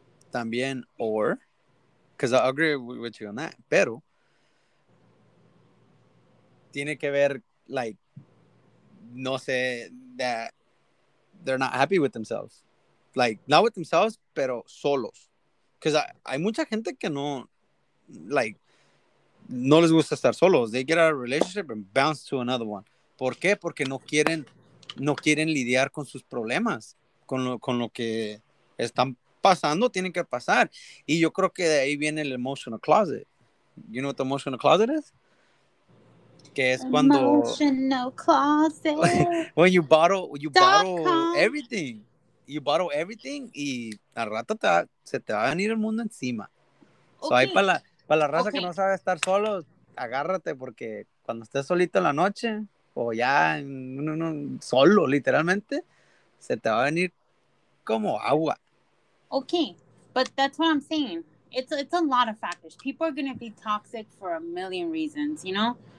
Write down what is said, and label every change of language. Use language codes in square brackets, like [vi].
[en] También, or, because I agree with you on that, [es] pero, tiene que ver, [en] like, [es] no sé, [en] that they're not happy with themselves. Like, not with themselves, [es] pero solos. Because hay mucha gente que no, like, no les gusta estar solos. [en] They get out of a relationship and bounce to another one. [es] ¿Por qué? Porque no quieren lidiar con sus problemas, con lo que están pasando, tienen que pasar. Y yo creo que de ahí viene el [en] emotional closet. You know what the emotional closet is? [es] Que es cuando [en] emotional closet. When you bottle everything. [es] You bottle everything y al rato se te va a venir el mundo encima. Okay. So ahí para la para la raza okay. que no sabe estar solo, agárrate, porque cuando estés solito en la noche, o ya solo, literalmente, se te va a venir como agua. [en] Okay, but that's what I'm saying. It's a lot of factors. People are going to be toxic for a million reasons, you know?